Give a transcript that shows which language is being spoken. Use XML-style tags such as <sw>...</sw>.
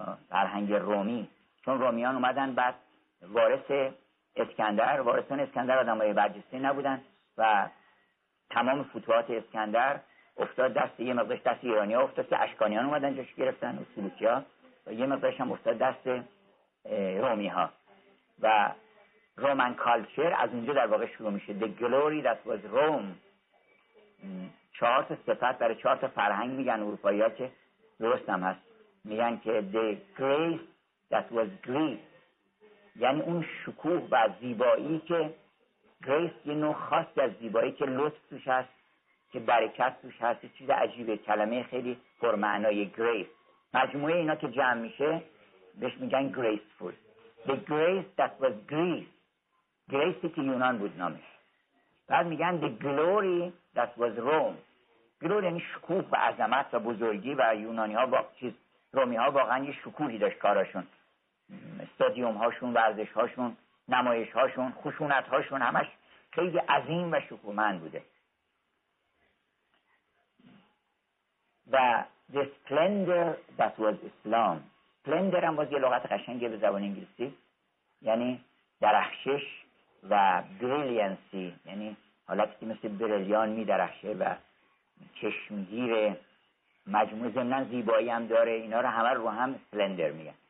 <fa>فرهنگ رومی، چون رومیان اومدن بعد وارث اسکندر، وارثان اسکندر آدمای برجسته نبودن و تمام فتوحات اسکندر افتاد دست یه مقدارش دست ایرانی ها افتاد که اشکانیان اومدن جاش گرفتن و سلوکی ها، و یه مقدارش هم افتاد دست رومی ها و رومن کالچر از اونجا در واقع شروع میشه.</fa> <en>The glory that was Rome.</en> <fa>چهار تا صفت برای چهار تا فرهنگ میگن اروپایی ها که درست هم هست. میگن که</fa> <en>The grace that was Greece.</en> <fa>یعنی اون شکوه و زیبایی که grace یه نوع خاصی از زیبایی که لطف توش هست، که برکت توش هست، یه چیز عجیبه، کلمه خیلی پرمعنای grace. مجموعه اینا که جمع میشه بهش میگن graceful.</fa> <en>The grace that was Greece.</en> <fa>گریسی که یونان بود نامش. بعد میگن</fa> <en>The glory that was Rome.</en> <fa>glory یعنی شکوه و عظمت و بزرگی، و یونانی ها با چیز رومی ها واقعا یه شکوهی داشت کاراشون، استادیوم هاشون، ورزش هاشون، نمایش هاشون، خشونت هاشون، همش خیلی عظیم و شکوهمند بوده.</fa> <en>و The splendor that was Islam.</en> <fa>splendor هم باز یه لغت قشنگه به زبان انگلیسی، یعنی درخشش و بریلیانسی، یعنی حالتی که مثل بریلیان میدرخشه و چشمگیر. مجموعه زمنان زیبایی هم داره. اینا رو همه رو هم سلندر میگن.</fa>